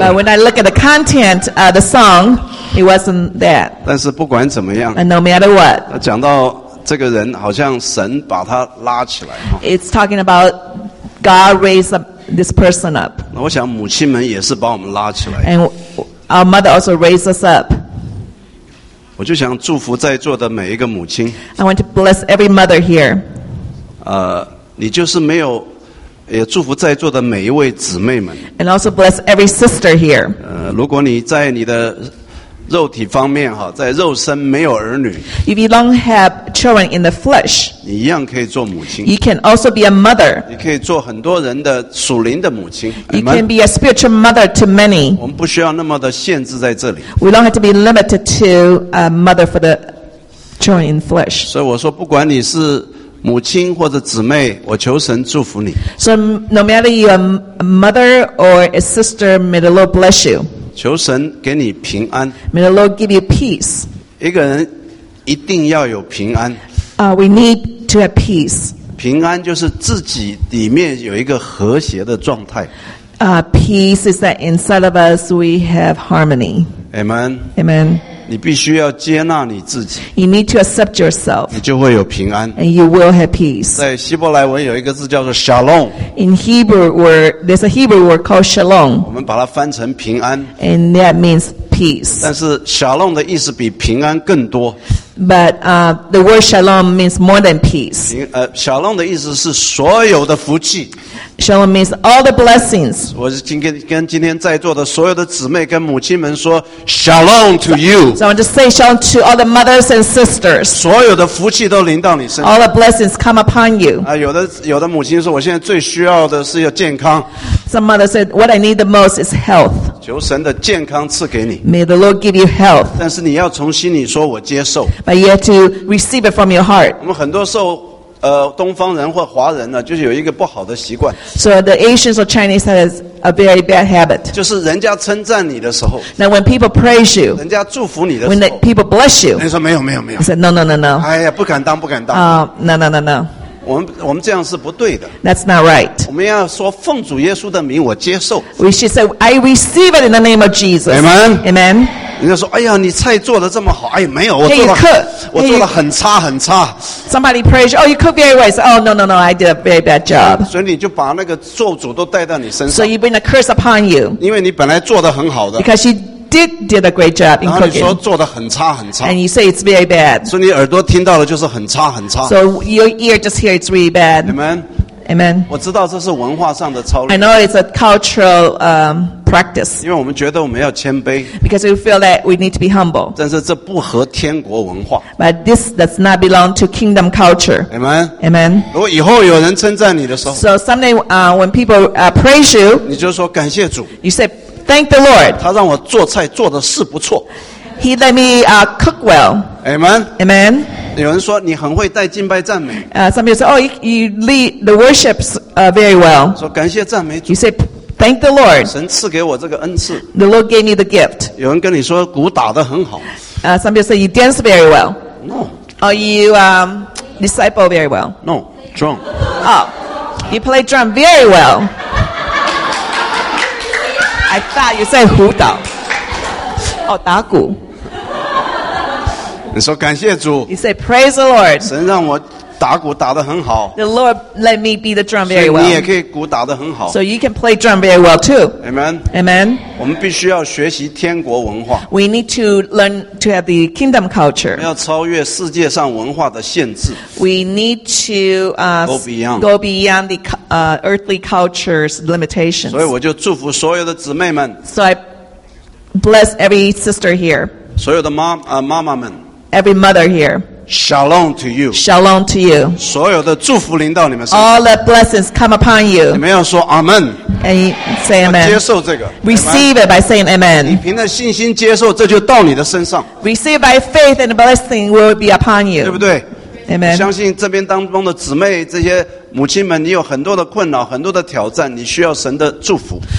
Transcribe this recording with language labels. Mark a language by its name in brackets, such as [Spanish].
[English] But when I look at the content, the song, it wasn't that. [Chinese] 但是不管怎么样。 [English] And no matter what. [Chinese] 讲到这个人好像神把他拉起来。 [English] It's talking about God raised this person up. [Chinese] 我想母亲们也是把我们拉起来。 [English] And our mother also raised us up. [Chinese] 我就想祝福在座的每一个母亲。 [English] I want to bless every mother here. [Chinese] 你就是没有也祝福在座的每一位姊妹们。 [English] And also bless every sister here. [Chinese] 如果你在你的肉体方面哈，在肉身没有儿女。 [English] If you don't have children in the flesh. [Chinese] 你一样可以做母亲。 [English] You can also be a mother. [Chinese] 你可以做很多人的属灵的母亲。 [English] You can be a spiritual mother to many. [Chinese] 我们不需要那么的限制在这里。 [English] We don't have to be limited to a mother for the children in flesh. [Chinese] 所以我说，不管你是母亲或者姊妹，我求神祝福你。 [English] So no matter you a mother or a sister, may the Lord bless you. [Chinese] 求神给你平安。 [English] May the Lord give you peace. [Chinese] 一个人一定要有平安。 [English] We need to have peace. [Chinese] 平安就是自己里面有一个和谐的状态。 [English] Peace is that inside of us we have harmony. Amen. Amen. [Chinese] 你必须要接纳你自己。 [English] You need to accept yourself. [Chinese] 你就会有平安。 [English] And you will have peace. [Chinese] 在希伯来文有一个字叫做 shalom. [English] In Hebrew word, there's a Hebrew word called shalom. [Chinese] 我们把它翻成平安。 [English] And that means peace. [Chinese] 但是 shalom 的意思比平安更多。 [English] But the word shalom means more than peace. [Chinese] Shalom 的意思是所有的福气。 [English] Shalom means all the blessings. [Chinese] 我是跟今天在座的所有的姊妹跟母亲们说 [English] Shalom to you. So I want to say shalom to all the mothers and sisters. [Chinese] 所有的福气都临到你身上。 [English] All the blessings come upon you. [Chinese] 有的母亲说我现在最需要的是要健康。 [English] Some mother said what I need the most is health. [Chinese] 求神的健康赐给你。 [English] May the Lord give you health. [Chinese] 但是你要从心里说我接受。 [English] But you have to receive it from your heart. [Chinese] 我们很多时候东方人或华人呢，就是有一个不好的习惯。 [English] So the Asians or Chinese has a very bad habit. [Chinese] 就是人家称赞你的时候。 [English] Now when people praise you. [Chinese] 人家祝福你的时候。 [English] When people bless you. [Chinese] 你说没有没有没有。 [English] He said no. [Chinese] 哎呀，不敢当不敢当。 [English] No. [Chinese] 我们这样是不对的。 [English] That's not right. [Chinese] 我们要说奉主耶稣的名，我接受。 [English] We should say, I receive it in the name of Jesus. Amen. Amen. [Chinese] 人家说，哎呀，你菜做的这么好，哎呀，没有，我做了， [English] hey, [Chinese] 我做的很差很差。 [English] Somebody praise you. Oh, you cook very well. Say, oh, no, I did a very bad job. [Chinese] 所以你就把那个咒诅都带到你身上。 [English] So you bring a curse upon you. [Chinese] 因为你本来做的很好的。 [English] Because you did a great job in cooking. [Chinese] 然后你说做的很差很差。 [English] And you say it's very bad. [Chinese] 所以你耳朵听到的就是很差很差。 [English] So your ear just hear it's really bad. Amen. Amen. [Chinese] 我知道这是文化上的操练。 [English] I know it's a cultural practice. [Chinese] 因为我们觉得我们要谦卑。 [English] Because we feel that we need to be humble. [Chinese] 但是这不合天国文化。 [English] But this does not belong to kingdom culture. Amen. Amen. [Chinese] 如果以后有人称赞你的时候。 [English] So someday, when people praise you. [Chinese] 你就说感谢主。 [English] You say,Thank the Lord. [Chinese] 他让我做菜做的是不错。 [English] He let me cook well. Amen. Amen. [Chinese] 有人说你很会带敬拜赞美。 [English] Some people say, oh, you lead the worships very well. [Chinese] 说感谢赞美主。 [English] You say, thank the Lord. [Chinese] 神赐给我这个恩赐。 [English] The Lord gave me the gift. [Chinese] 有人跟你说鼓打得很好。 [English] Some people say you dance very well. No. Or you disciple very well. No. Drum. Oh, you play drum very well. I thought you said [Chinese] 胡导哦、 [English] oh, [Chinese] 打鼓你说感谢主 [English] You say praise the Lord [Chinese] 神让我打鼓打得很好 [English] The Lord let me be the drum very well [Chinese] 你也可以鼓打得很好 [English] So you can play drum very well too Amen Amen [Chinese] 我们必须要学习天国文化 [English] We need to learn to have the kingdom culture [Chinese] 要超越世界上文化的限制 [English] We need to go beyond theearthly culture's limitations [Chinese] 所以我就祝福所有的姊妹们 [English] So I bless every sister here [Chinese] 所有的妈妈们 [English] Every mother here Shalom to you. Shalom to you. [Chinese] 所有的祝福临到你们身上。 [English] All the blessings come upon you. [Chinese] 你们要说 Amen. [English] And say Amen. [Chinese] 接受这个。 [English] Receive it by saying Amen. [Chinese] 你凭着信心接受，这就到你的身上。 [English] Receive by faith and blessing will be upon you. [Chinese] 对不对？ [English] Amen. [Chinese] 相信这边当中的姊妹，这些母亲们，你有很多的困扰，很多的挑战，你需要神的祝福。